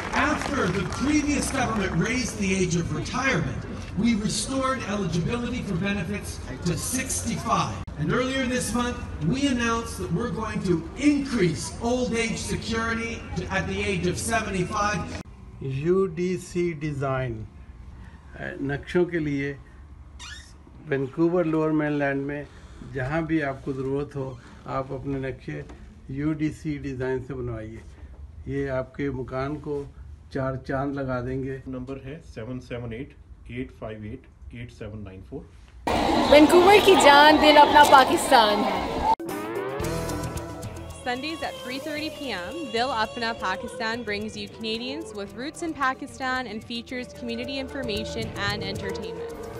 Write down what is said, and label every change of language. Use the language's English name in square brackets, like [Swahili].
[English] After the previous government raised the age of retirement, we restored eligibility for benefits to 65. And earlier this month, we announced that we're going to increase old age security at the age of 75. [Urdu] U D C design نقشوں کے لیے Vancouver lower مین land میں جہاں بھی آپ کو ضرورت ہو آپ اپنے نقشے یو ڈی سی ڈیزائن سے بنوائیے. یہ آپ کے مکان کو 4 چاند لگا دیں گے. نمبر ہے 7788588794. وینکوور کی جان دل اپنا Pakistan. [English] Sundays at 3:30 p.m., Dil Apna Pakistan brings you Canadians with roots in Pakistan and features community information and entertainment.